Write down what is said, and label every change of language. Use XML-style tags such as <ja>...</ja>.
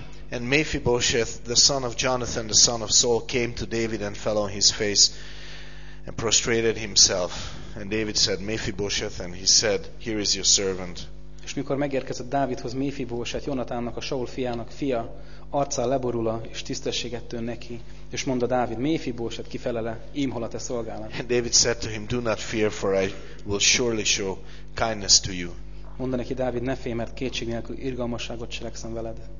<en>And Mephibosheth, the son of Jonathan, the son of Saul, came to David and fell on his face and prostrated himself. And David said, Mephibosheth, and he said, here is your servant.</en> <hu>És mikor megérkezett Dávidhoz Mephibosheth, Jonatánnak, a Saul fiának fia, arccal leborul és tisztességet tön neki, és mondta Dávid, Mephibosheth, kifelele, ím hol a te szolgálat.</hu> <en>David said to him, do not fear, for I will surely show kindness to you.</en> <hu>Mondta neki Dávid, ne félj, mert kétség nélkül irgalmasságot cselekszem veled.</hu>